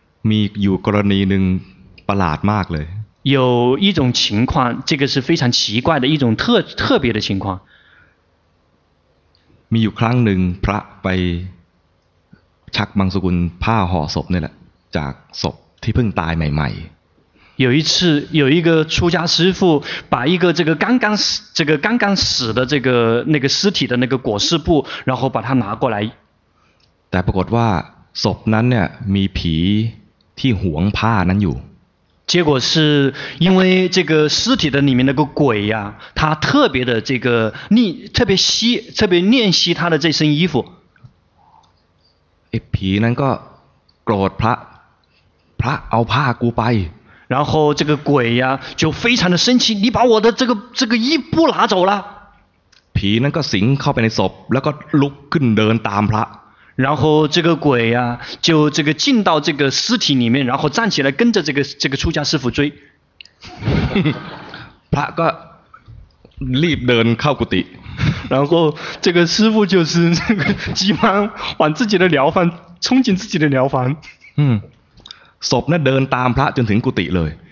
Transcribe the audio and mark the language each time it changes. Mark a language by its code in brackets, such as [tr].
[th] มีอยู่กรณีหนึ่งประหลาดมากเลย [zh] 有一种情况这个是非常奇怪的一种特别的情况 [th] มีอยู่ครั้งหนึ่งพระไปชักบังสุกุลผ้าห่อศพนี่แหละจากศพที่เพิ่งตายใหม่ [zh] ๆ有一次有一个出家师父把一个这个刚刚死的这个那个尸体的那个裹尸布然后把它拿过来 [th] แต่ปรากฏว่าศพนั้นเนี่ยมีผีที่หวงผ้านั้นอยู่ [zh] 结果是因为这个尸体的里面那个鬼呀、啊、他特别的这个特别惜特别念惜他的这身衣服诶皮那个 [th] โกรธ พระเอาผ้ากูไป [zh] 然后这个鬼呀、啊、就非常的生气你把我的这个衣布拿走了皮那个 [th] สิงเข้าไปในศพแล้วก็ลุกขึ้นเดินตามพระ [zh] 然后这个鬼呀、啊、就这个进到这个尸体里面然后站起来跟着这个出家师父追 [th] พระก็รีบเดินเข้ากุฏิ [zh] 然后这个师父就是这个急忙往自己的寮房冲进自己的寮房 [th] ศพนั้นเดินตามพระจนถึงกุฏิเลย